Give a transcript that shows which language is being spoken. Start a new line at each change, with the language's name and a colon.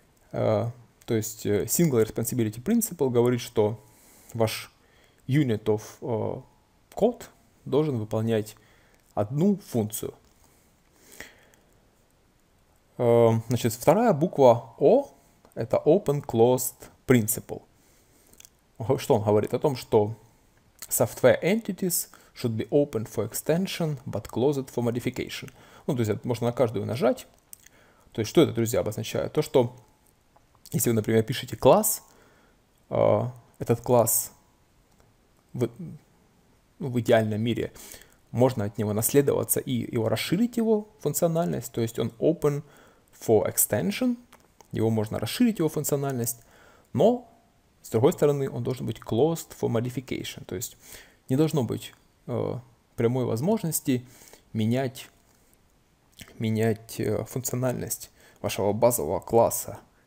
Russian: То есть single responsibility principle говорит, что ваш unit of code должен выполнять одну функцию. Значит, вторая буква O — это open-closed principle. Что он говорит? О том, что
English: software entities should be open for extension, but closed for modification.
Russian: Ну, то есть, можно на каждую нажать. То есть, что это, друзья, обозначает? То, что если вы, например, пишете класс, этот класс в идеальном мире можно от него наследоваться и его расширить, его функциональность, то есть он
English: open for extension,
Russian: его можно расширить, его функциональность, но с другой стороны он должен быть
English: closed for modification,
Russian: то есть не должно быть прямой возможности менять функциональность вашего базового класса.